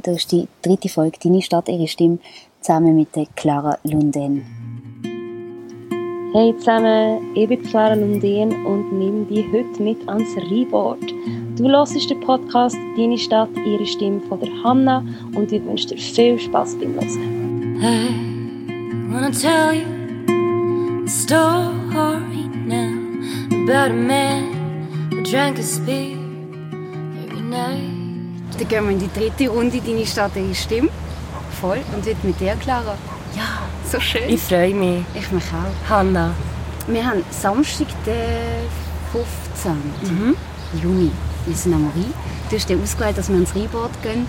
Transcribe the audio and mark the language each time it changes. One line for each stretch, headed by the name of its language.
German: Da ist die dritte Folge «Deine Stadt, ihre Stimme» zusammen mit Clara Lundén. Hey zusammen, ich bin Clara Lundén und nehme dich heute mit ans Rheinbad. Du hörst den Podcast «Deine Stadt, ihre Stimme» von der Hanna und ich wünsche dir viel Spass beim Hören.
English: I wanna tell you a story now about a man who drank his beer every night.
German: Dann gehen wir in die dritte Runde «Deine Stadt, ihre Stimme». Voll. Und heute mit dir, Clara. Ja. So schön. Ich freue mich. Ich mich auch. Hanna. Wir haben Samstag, den 15. Mhm. Juni. Wir sind am Rhein. Du hast dir ausgewählt, dass wir ins Rheinbad gehen.